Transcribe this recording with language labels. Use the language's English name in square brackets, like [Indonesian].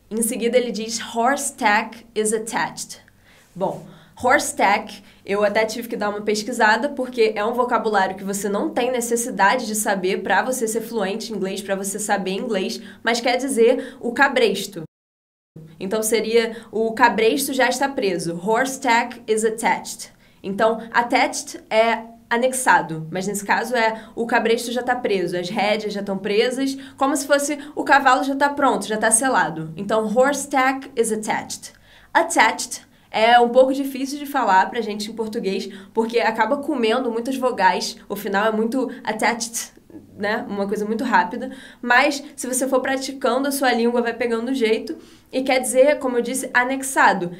[Portuguese] Em seguida, ele diz [English] horse tack is attached. [Portuguese] Bom, horse tack, eu até tive que dar uma pesquisada, porque é um vocabulário que você não tem necessidade de saber para você ser fluente em inglês, para você saber inglês, mas quer dizer o cabresto. Então, seria o cabresto já está preso. [English] Horse tack is attached. [Portuguese] Então, attached é anexado, mas nesse caso é o cabresto já está preso, as rédeas já estão presas, como se fosse o cavalo já está pronto, já está selado. Então, [English] horse tack is attached. [Portuguese] Attached é um pouco difícil de falar pra gente em português, porque acaba comendo muitas vogais, o final é muito attached, né? Uma coisa muito rápida, mas se você for praticando, a sua língua vai pegando o jeito e quer dizer, como eu disse, anexado.